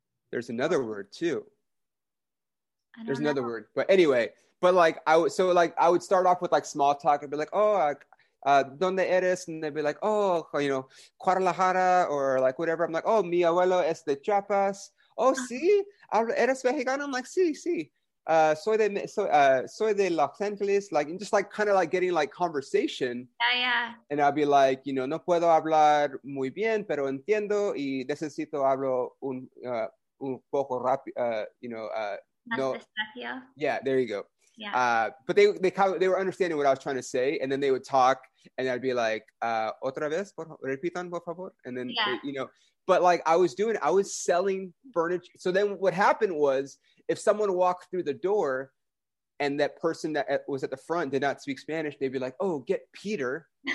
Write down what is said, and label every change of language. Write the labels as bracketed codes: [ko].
[en] There's another word too. There's another word, but anyway, but like I would start off with like small talk and be like, oh, [es] donde eres, [en] and they'd be like, oh, you know, Guadalajara or like whatever. I'm like, oh, [es] mi abuelo es de Chiapas. Oh, sí, eres mexicano. [en] I'm like, [es] sí. Soy de Los Angeles. [en] Like, and just like kind of like getting like conversation. Yeah. And I'd be like, you know, [es] no puedo hablar muy bien, pero entiendo y necesito hablo un poco rápido. [en] No. Yeah, there you go. Yeah. But they were understanding what I was trying to say, and then they would talk, and I'd be like, [es] otra vez, repitan, por favor. [en] And then, I was selling furniture. So then what happened was, if someone walked through the door, and that person that was at the front did not speak Spanish, they'd be like, oh, get Peter.